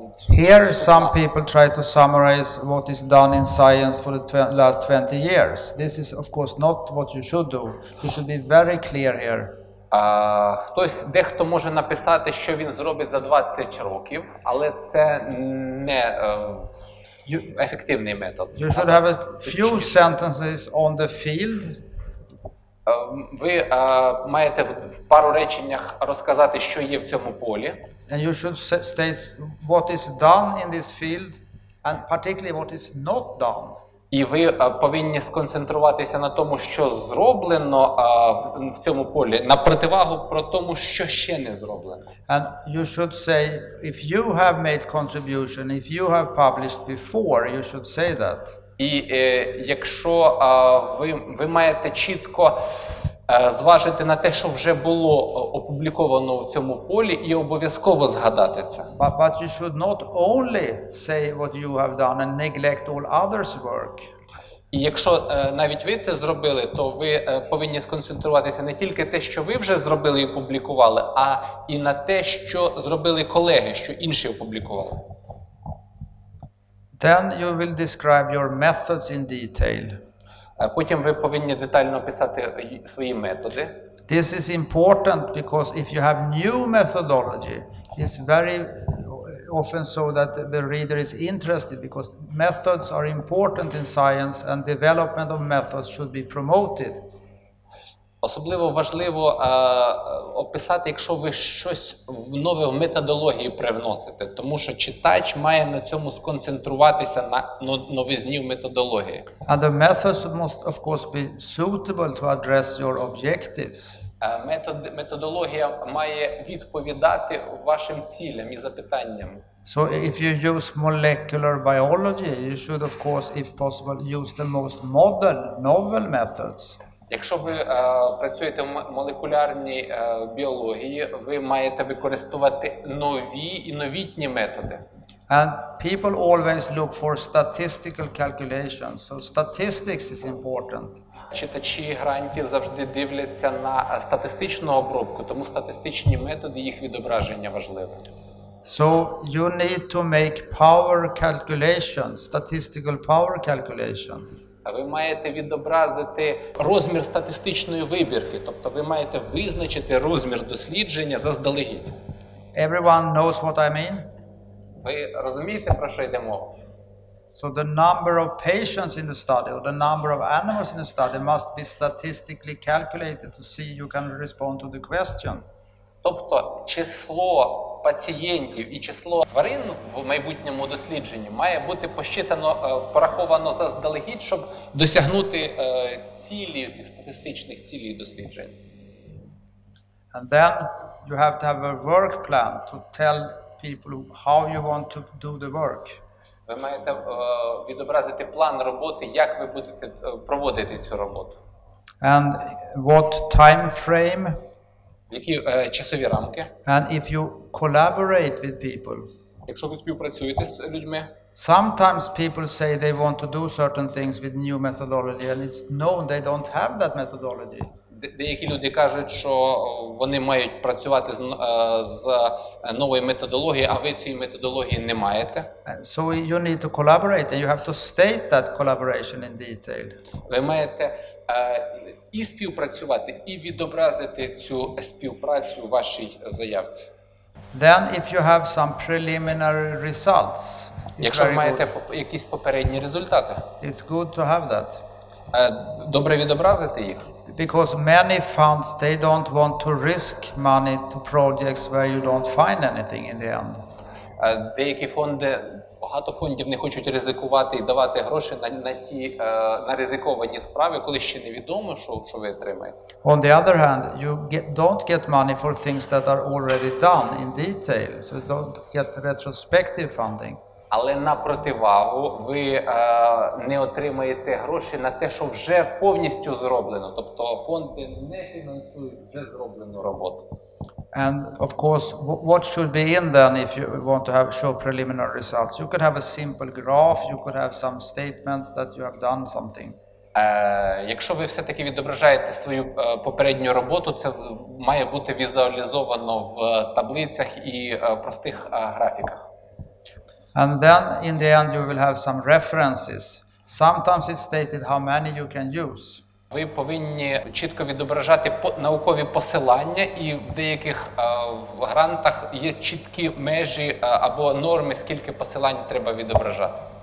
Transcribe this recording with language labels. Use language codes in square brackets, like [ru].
[en] Here some people try to summarize what is done in science for the last 20 years. This is of course not what you should do. You should be very clear here. [uk] Хтось, дехто може написати, що він зробить за 20 років, але це не ефективний метод. [en] You should have a few sentences on the field. [uk] Ви маєте в пару реченнях розказати, що є в цьому полі. [en] And you should state what is done in this field and particularly what is not done. [uk] І ви повинні сконцентруватися на тому, що зроблено в цьому полі, на противагу про тому, що ще не зроблено. [en] And you should say, if you have made contribution, if you have published before, you should say that. [uk] І якщо ви маєте чітко зважити на те, що вже було опубліковано в цьому полі, і обов'язково згадати це. [en] But you should not only say what you have done and neglect all others' work. [uk] І якщо навіть ви це зробили, то ви повинні сконцентруватися не тільки те, що ви вже зробили і опублікували, а і на те, що зробили колеги, що інші опублікували. [en] Then you will describe your methods in detail. [uk] Потім ви повинні детально описати свої методи. [en] This is important because if you have new methodology, it's very often so that the reader is interested because methods are important in science and development of methods should be promoted. [uk] Особливо важливо описати, якщо ви щось нове в методології привносите, тому що читач має на цьому сконцентруватися на новизні в методології. [en] And the methods must of course be suitable to address your objectives. [uk] Методологія має відповідати вашим цілям і запитанням. [en] So if you use molecular biology, you should of course if possible use the most modern novel methods. [uk] Якщо ви працюєте в молекулярній біології, ви маєте використовувати нові і новітні методи. [en] And people always look for statistical calculations, so statistics is important. [uk] Читачі грантів завжди дивляться на статистичну обробку, тому статистичні методи їх відображення важливі. [en] So you need to make power calculations, statistical power calculation. [uk] Ви маєте відобразити розмір статистичної вибірки, тобто ви маєте визначити розмір дослідження заздалегідь. [en] Everyone knows what I mean? [uk] Ви розумієте, про що йде мова? [en] So the number of patients in the study or the number of animals in the study must be statistically calculated to see you can respond to the question. [uk] Тобто число пацієнтів і число тварин в майбутньому дослідженні має бути посчитано, пораховано заздалегідь, щоб досягнути цілі цих статистичних цілей досліджень. [en] And then you have to have a work plan to tell people how you want to do the work. [uk] Ви маєте відобразити план роботи, як ви будете проводити цю роботу. [en] And what time frame? [uk] Які часові рамки? [en] And if you collaborate with people. [uk] Якщо ви співпрацюєте з людьми? [en] Sometimes people say they want to do certain things with new methodology and it's known they don't have that methodology. [uk] Деякі люди кажуть, що вони мають працювати з новою методологією, а ви цієї методології не маєте. [en] So you need to collaborate and you have to state that collaboration in detail. [uk] Ви маєте і співпрацювати, і відобразити цю співпрацю в вашій заявці. [en] Then if you have some preliminary results, it's [uk] якщо [en] very [uk] маєте [en] good. [uk] Якісь попередні результати, [en] it's good to have that. [uk] Добре відобразити їх. [en] Because many funds they don't want to risk money to projects where you don't find anything in the end. [uk] Деякі фонди, багато фондів не хочуть ризикувати і давати гроші на ті на ризиковані справи, коли ще невідомо, що ви отримаєте. [en] On the other hand, you don't get money for things that are already done in detail. So you don't get retrospective funding. [uk] Але на противагу, ви не отримаєте гроші на те, що вже повністю зроблено. Тобто фонди не фінансують вже зроблену роботу. [en] And of course, what should be in then if you want to have show preliminary results? You could have a simple graph, you could have some statements that you have done something. [uk] Якщо ви все-таки відображаєте свою попередню роботу, це має бути візуалізовано в таблицях і простих графіках. [en] And then in the end you will have some references. Sometimes it's stated how many you can use. [uk] Ви повинні чітко відображати наукові посилання, і в деяких в грантах є чіткі межі або норми, скільки посилань треба відображати.